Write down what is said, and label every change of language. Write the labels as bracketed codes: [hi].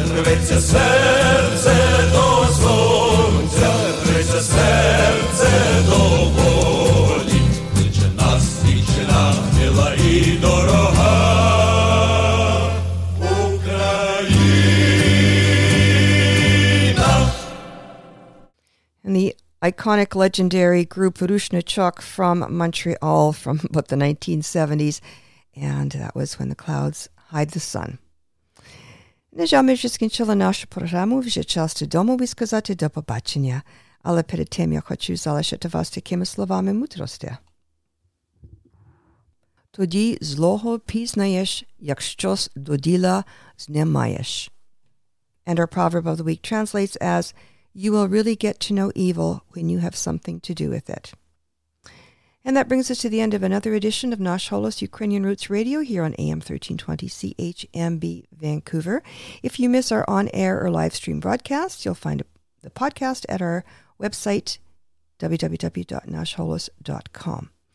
[uk] Рветься серце до сонця, рветься серце до волі. Кличе нас вічна, мила і дорога Україна. [en] Iconic legendary group Vrushnichok from Montreal from about the 1970s. And that was when the clouds hide the sun. [uk] Нежами вже скінчила нашу програму. Вже час до дому висказати до побачення. Але перед тим я хочу залишити вас такими словами мудрості. Тоді злого пізнаєш, якщо до діла знімаєш. [en] And our proverb of the week translates as, you will really get to know evil when you have something to do with it. And that brings us to the end of another edition of Nash Holos Ukrainian Roots Radio here on AM 1320 CHMB Vancouver. If you miss our on-air or live stream broadcast, you'll find the podcast at our website, www.nashholos.com.